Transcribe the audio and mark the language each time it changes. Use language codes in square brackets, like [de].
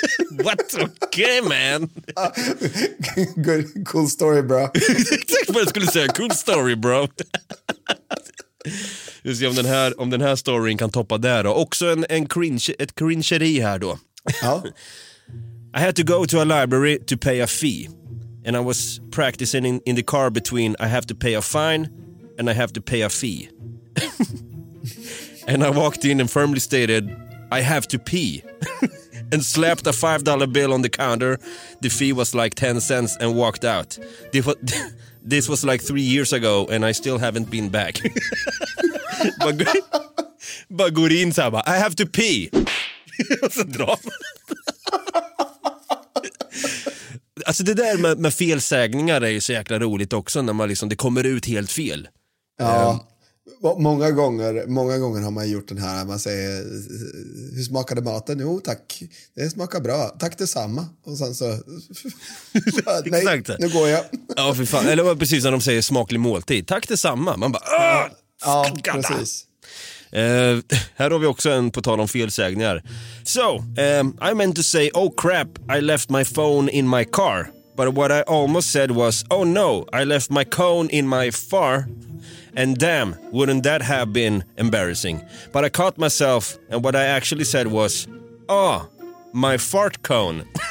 [en] What? Okay, man. Good, cool story, bro. [sv] Exakt vad jag skulle säga. [en] Cool story, bro. [sv] Vi ser om den här storyn kan toppa där då. Också en cringe, ett cringeri här då. Huh? [en] I had to go to a library to pay a fee. And I was practicing in the car between I have to pay a fine and I have to pay a fee. And I walked in and firmly stated I have to pee. And slapped a $5 bill on the counter. The fee was like 10 cents and walked out. This was like 3 years ago and I still haven't been back. [sv] Bara går in så här, bara, [en] I have to pee. [sv] Och så drar. Alltså det där med felsägningar är ju så jäkla roligt också, när man liksom, det kommer ut helt fel. Ja. Många gånger har man gjort den här, man säger, hur smakade maten? Jo, tack, det smakar bra. Tack detsamma. Och sen så, nej, exakt. Nu går jag. Ja, fy fan. Eller precis när de säger smaklig måltid. Tack detsamma. Man bara, ja, precis. Här har vi också en på tal om felsägningar. [en] So, I meant to say, oh crap, I left my phone in my car. But what I almost said was, oh no, I left my cone in my far. And damn, wouldn't that have been embarrassing? But I caught myself, and what I actually said was, oh, my fart cone.